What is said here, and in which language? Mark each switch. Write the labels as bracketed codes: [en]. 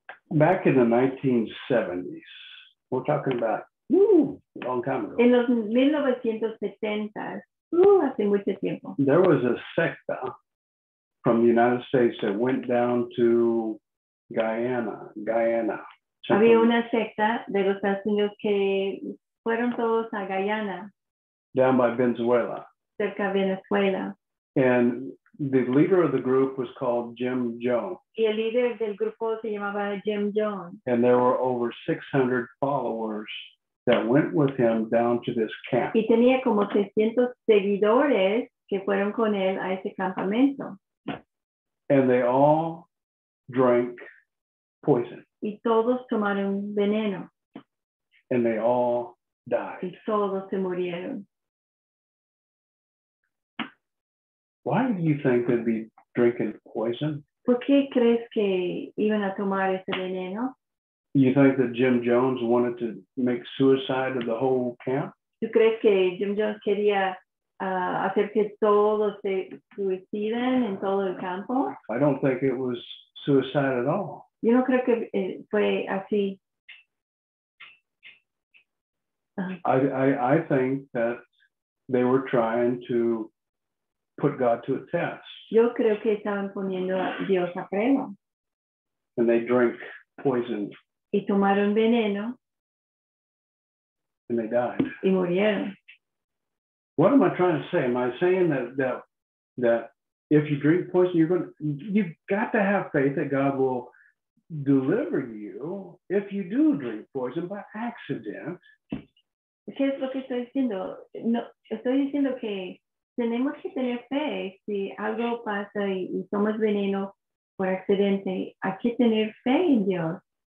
[en] Back in the 1970s, we're talking about long time ago. [es] En los 1970s, hace mucho tiempo. [en] There was a secta from the United States that went down to Guyana. [es] Había una secta de los Estados Unidos que fueron todos a Guyana. [en] Down by Venezuela. [es] Cerca de Venezuela. [en] And the leader of the group was called Jim Jones. [es] Y el líder del grupo se llamaba Jim Jones. [en] And there were over 600 followers that went with him down to this camp. [es] Y tenía como 600 seguidores que fueron con él a ese campamento. [en] And they all drank poison. [es] Y todos tomaron veneno. [en] And they all died. [es] Y todos se murieron. [en] Why do you think they'd be drinking poison? [es] ¿Por qué crees que iban a tomar ese veneno? [en] You think that Jim Jones wanted to make suicide of the whole camp? [es] ¿Tú crees que Jim Jones quería hacer que todos se suiciden en todo el campo? [en] I don't think it was suicide at all. [es] Yo no creo que fue así. [en] I think that they were trying to put God to a test. [es] Yo creo que estaban poniendo a Dios a prueba. [en] And they drank poison. [es] Y tomaron veneno. [en] And they died. [es] Y murieron. [en] What am I trying to say? Am I saying that if you drink poison, you've got to have faith that God will deliver you if you do drink poison by accident? [es] ¿Qué es lo que estoy diciendo? No, estoy diciendo que tenemos que tener fe. Si algo pasa y tomas veneno por accidente, hay que tener fe en Dios.